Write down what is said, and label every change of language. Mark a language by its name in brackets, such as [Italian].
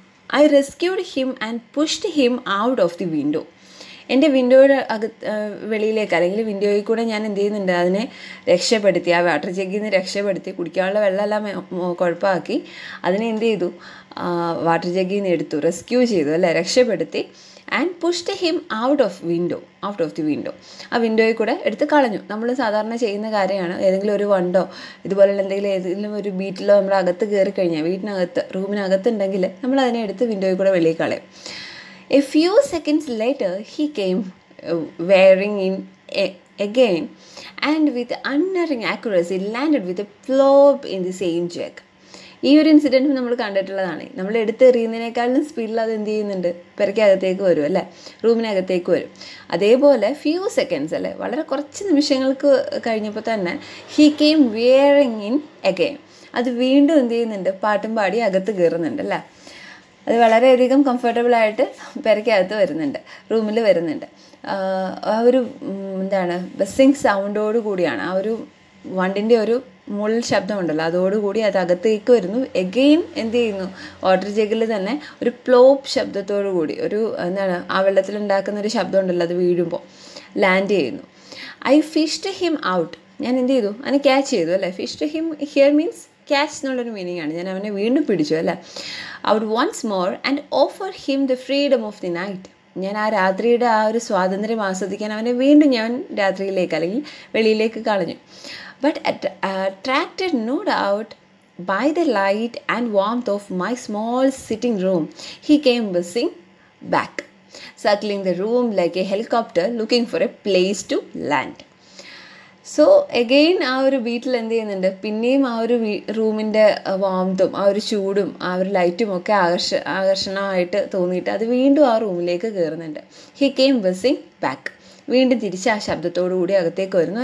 [English] I rescued him and pushed him out of the window, [Malayalam] എൻ്റെ വിൻഡോയുടെ വെളിയിലേക്ക് അല്ലെങ്കിൽ വിൻഡോയിൽ കൂടെ ഞാൻ എന്ത് ചെയ്യുന്നുണ്ട്, അതിനെ രക്ഷപ്പെടുത്തി, ആ വാട്ടർ ജഗ്ഗിൽ നിന്ന് രക്ഷപ്പെടുത്തി, കുടിക്കാനുള്ള വെള്ളമെല്ലാം കുഴപ്പമാക്കി അതിനെ എന്ത് ചെയ്തു, വാട്ടർ ജഗ്ഗിൽ നിന്ന് എടുത്തു, റെസ്ക്യൂ ചെയ്തു അല്ലേ, രക്ഷപ്പെടുത്തി. [English] and pushed him out of window, out of the window, [Malayalam] ആ വിൻഡോയിൽ കൂടെ എടുത്ത് കളഞ്ഞു. നമ്മൾ സാധാരണ ചെയ്യുന്ന കാര്യമാണ്, ഏതെങ്കിലും ഒരു വണ്ടോ ഇതുപോലുള്ള എന്തെങ്കിലും ഏതെങ്കിലും ഒരു ബീറ്റിലോ നമ്മുടെ അകത്ത് കയറി കഴിഞ്ഞാൽ, വീടിനകത്ത് റൂമിനകത്തുണ്ടെങ്കിൽ നമ്മൾ അതിനെ എടുത്ത് വിൻഡോയിൽ കൂടെ വെളിയിൽ കളയും. [English] A few seconds later, he came wearing in again and with unerring accuracy landed with a plop in the same jug. [Malayalam] ഈ ഒരു ഇൻസിഡൻറ്റ് നമ്മൾ കണ്ടിട്ടുള്ളതാണ്, നമ്മൾ എടുത്തെറിയുന്നതിനേക്കാളും സ്പീഡിൽ അത് എന്ത് ചെയ്യുന്നുണ്ട്, പെരക്കകത്തേക്ക് വരും അല്ലേ, റൂമിനകത്തേക്ക് വരും. അതേപോലെ ഫ്യൂ സെക്കൻഡ്സ് അല്ലേ, വളരെ കുറച്ച് നിമിഷങ്ങൾക്ക് കഴിഞ്ഞപ്പോൾ തന്നെ [English] he came veering in again, [Malayalam] അത് വീണ്ടും എന്ത് ചെയ്യുന്നുണ്ട്, പാട്ടും പാടി അകത്ത് കയറുന്നുണ്ട് അല്ലേ, അത് വളരെയധികം കംഫർട്ടബിളായിട്ട് പെരക്കകത്ത് വരുന്നുണ്ട്, റൂമിൽ വരുന്നുണ്ട്. ആ ഒരു എന്താണ് ബസ്സിങ് സൗണ്ടോടുകൂടിയാണ്, ആ ഒരു വണ്ടിൻ്റെ ഒരു മുള് ശബ്ദമുണ്ടല്ലോ അതോടുകൂടി അത് അകത്തേക്ക് വരുന്നു. എഗെയിൻ എന്ത് ചെയ്യുന്നു, വാട്ടർ ജഗിൽ തന്നെ ഒരു പ്ലോപ്പ് ശബ്ദത്തോടുകൂടി, ഒരു എന്താണ് ആ വെള്ളത്തിലുണ്ടാക്കുന്ന ഒരു ശബ്ദമുണ്ടല്ലോ അത് വീഴുമ്പോൾ ലാൻഡ് ചെയ്യുന്നു. [English] I fished him out, [Malayalam] ഞാൻ എന്ത് ചെയ്തു, അതിനെ ക്യാച്ച് ചെയ്തു അല്ലേ. [English] fished him here means catch [Malayalam] എന്നുള്ളൊരു മീനിങ് ആണ്, ഞാൻ അവനെ വീണ്ടും പിടിച്ചു അല്ലേ. [English] out once more and offer him the freedom of the night, [Malayalam] ഞാൻ ആ രാത്രിയുടെ ആ ഒരു സ്വാതന്ത്ര്യം ആസ്വദിക്കാൻ അവനെ വീണ്ടും ഞാൻ രാത്രിയിലേക്ക് അല്ലെങ്കിൽ വെളിയിലേക്ക് കളഞ്ഞു. [English] But attracted no doubt by the light and warmth of my small sitting room, he came buzzing back. circling the room like a helicopter looking for a place to land. So again [Malayalam] ആ ഒരു വീട്ടിൽ എന്ത് ചെയ്യുന്നുണ്ട്, പിന്നെയും ആ ഒരു റൂമിൻ്റെ വാംതും ആ ഒരു ചൂടും ആ ഒരു ലൈറ്റും ഒക്കെ ആകർഷണമായിട്ട് തോന്നിയിട്ട് അത് വീണ്ടും ആ റൂമിലേക്ക് കയറുന്നുണ്ട്. [English] he came buzzing back, [Malayalam] വീണ്ടും തിരിച്ച് ആ ശബ്ദത്തോടു കൂടി അകത്തേക്ക് വരുന്നു.